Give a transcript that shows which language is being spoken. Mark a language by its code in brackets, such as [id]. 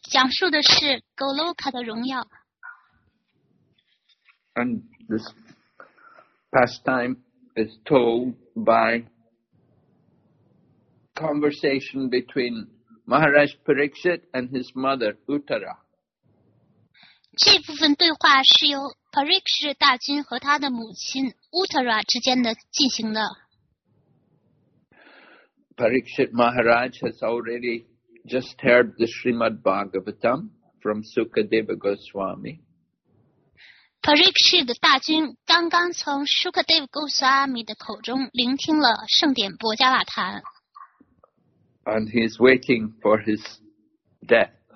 [zh] 我们这两次一直在讲述大博加瓦坛甘露之阳的第二部分，这部分的讲述的是Goloka的荣耀。 [en] And this pastime is told by conversation between Maharaj Parikshit and his mother Uttara. [zh] 这部分对话是由 Parikshit 大君和他的母亲 Uttara 之间的进行的。 [en] Parikshit Maharaj has already just heard the Srimad Bhagavatam from Sukadeva Goswami. [zh] Parikshit 大君刚刚从 Sukadeva Goswami的口中聆听了圣典博伽瓦坛。 [en] And he is waiting for his death.